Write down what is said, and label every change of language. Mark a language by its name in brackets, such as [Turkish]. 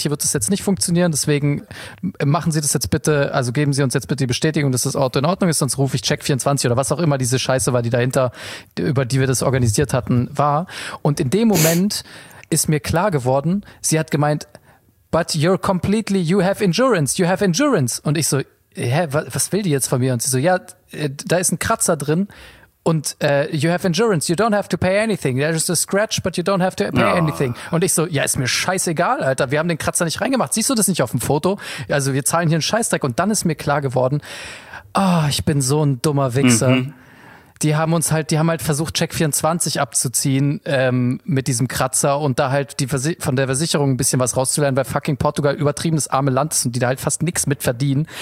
[German] Hier wird es jetzt nicht funktionieren. Deswegen machen Sie das jetzt bitte, also geben Sie uns jetzt bitte die Bestätigung, dass das Auto in Ordnung ist, sonst rufe ich Check24 oder was auch immer diese Scheiße war, die dahinter, über die wir das organisiert hatten, war. Und in dem Moment ist mir klar geworden, sie hat gemeint, [English] but you're completely, you have insurance. [German] Und ich so, hä, was will die jetzt von mir? Und sie so, ja, da ist ein Kratzer drin. [English] Und you have insurance, you don't have to pay anything. There is a scratch, but you don't have to pay anything. [German] Und ich so, ja, ist mir scheißegal, Alter. Wir haben den Kratzer nicht reingemacht. Siehst du das nicht auf dem Foto? Also wir zahlen hier einen Scheißdreck. Und dann ist mir klar geworden, oh, ich bin so ein dummer Wichser. Mhm. Die haben halt versucht, Check24 abzuziehen mit diesem Kratzer und da halt die von der Versicherung ein bisschen was rauszulernen, weil fucking Portugal übertriebenes arme Land ist und die da halt fast nichts mit verdienen.